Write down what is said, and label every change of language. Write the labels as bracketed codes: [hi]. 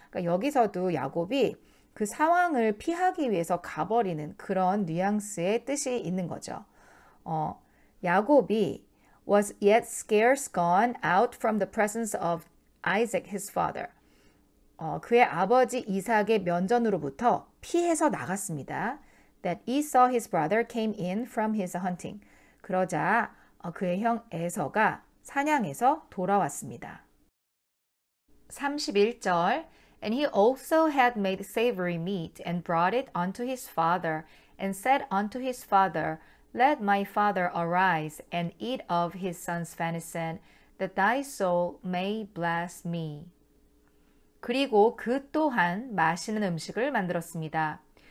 [ko] 여기서도 야곱이 그 상황을 피하기 위해서 가버리는 그런 뉘앙스의 뜻이 있는 거죠. [en] 야곱이 was yet scarce gone out from the presence of Isaac his father. [ko] 그의 아버지 이삭의 면전으로부터 피해서 나갔습니다. [en] that Esau his brother came in from his hunting. [ko] 그러자 그의 형 에서가 사냥에서 돌아왔습니다. [en] 31절 And he also had made savoury meat and brought it unto his father and said unto his father, Let my father arise and eat of his son's venison, that thy soul may bless me. [ko] 그리고 그 또한 맛있는 음식을 만들었습니다.